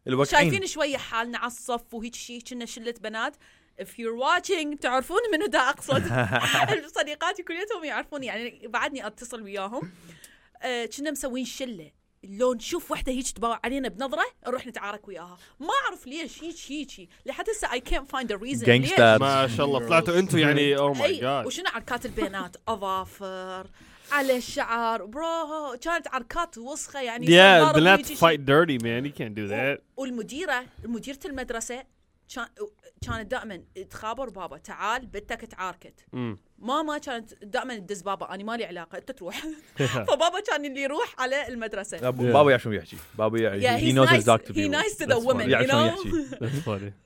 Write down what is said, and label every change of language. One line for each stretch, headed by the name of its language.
Arabic: شايفين شويه حالنا على الصف وهيك شيء كنا شله بنات
English: if you're watching
Arabic: تعرفون منو دا اقصد صديقاتي كليتهم يعرفوني يعني بعدني اتصل وياهم كنا مسوين شله لو نشوف وحده هيك تباوع علينا بنظره نروح نتعارك وياها ما اعرف ليش هيك لحتى هسه
English: I can't find a reason
Arabic: gangsters ما شاء الله طلعتوا انتوا يعني
English: oh my god
Arabic: وشنو عركات البنات اظافر على الشعر برو كانت عركات وسخه يعني
English: yeah, but let's fight dirty man you can't do that
Arabic: والمديرة المدرسة كانت دائما تخابر بابا تعال بدك تعاركت ماما كانت دائما تدز بابا انا ما لي علاقه انت تروح فبابا كان اللي يروح على المدرسه بابا يعرف شو يحكي بابا يعرف
English: هي nice to the woman هي nice to the woman
Arabic: يعرف شو يحكي